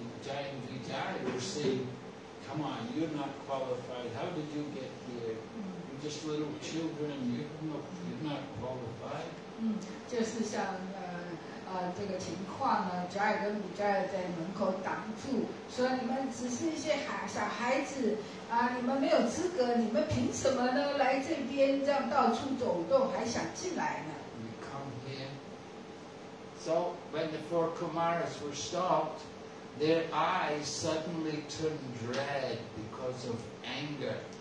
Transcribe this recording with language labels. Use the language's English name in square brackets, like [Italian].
[English] The giant Vijaya were saying, "Come on, you're not qualified. How did you get here? You're just just little children, you're not qualified. [Chinese] 就是像这个情况呢，扎尔根比扎尔在门口挡住，说你们只是一些小孩子啊，你们没有资格，你们凭什么呢来这边这样到处走动，还想进来呢？ [English] You come here. So when the four Kumaras were stopped, their eyes suddenly turned red because of anger.